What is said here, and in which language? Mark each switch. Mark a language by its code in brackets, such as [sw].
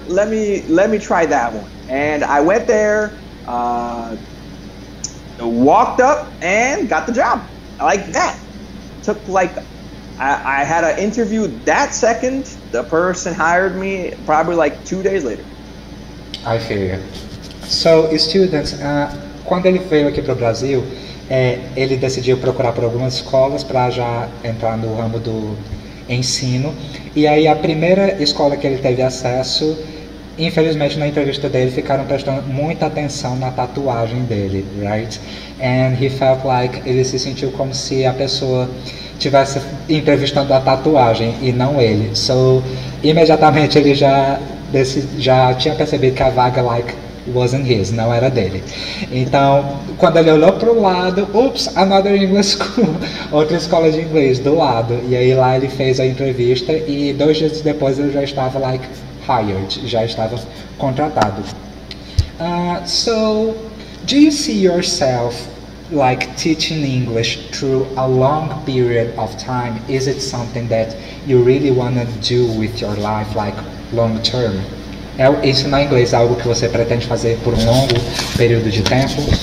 [en] Let me try that one. And I went there, walked up, and got the job. Like that. Took like, I had an interview that second. The person hired me probably like 2 days later. I feel you. So, students, [pt] quando ele veio aqui para o Brasil, ele decidiu procurar por algumas escolas para já entrar no ramo do ensino. E aí a primeira escola que ele teve acesso, infelizmente na entrevista dele, ficaram prestando muita atenção na tatuagem dele, right? [en] And he felt like, [pt] ele se sentiu como se a pessoa estivesse entrevistando a tatuagem e não ele. So, imediatamente ele já tinha percebido que a vaga, like, [en] wasn't his, [pt] não era dele. Então, quando ele olhou para o lado, oops, [en] another English school, [pt] outra escola de inglês do lado. E aí lá ele fez a entrevista e 2 dias depois ele já estava, like, hired, já estava contratado. [en] So, do you see yourself, like, teaching English through a long period of time? Is it something that you really want to do with your life, like, long term? [pt] É isso na inglês, algo que você pretende fazer por um longo período de tempo?